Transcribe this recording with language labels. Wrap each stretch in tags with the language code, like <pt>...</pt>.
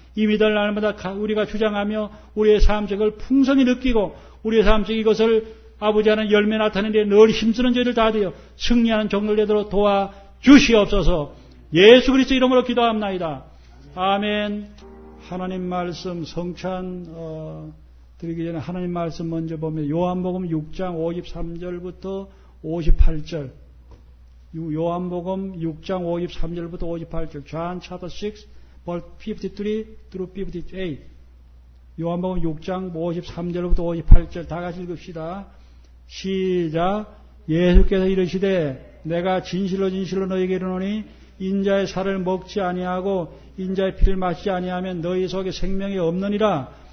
<ko>이 믿을 날마다 우리가 주장하며 우리의 삶 속을 풍성히 느끼고 우리의 삶 속 이것을 아버지 하나님 열매 나타내는 데 늘 힘쓰는 죄를 다 되어 승리하는 종들 되도록 도와주시옵소서. 예수 그리스도 이름으로 기도합니다. 아멘. 하나님 말씀 성찬 드리기 전에 하나님 말씀 먼저 보면 요한복음 6장 53절부터 58절. 요한복음 6장 53절부터 58절.</ko> <en>John chapter 6, verse 53 through 58.</en> <ko>요한복음 6장 53절부터 58절 다 같이 읽읍시다. 시작. 예수께서 이르시되 내가 진실로 진실로 너희에게 이르노니 인자의 살을 먹지 아니하고 인자의 피를 마시지 아니하면 너희 속에 생명이 없느니라.</ko>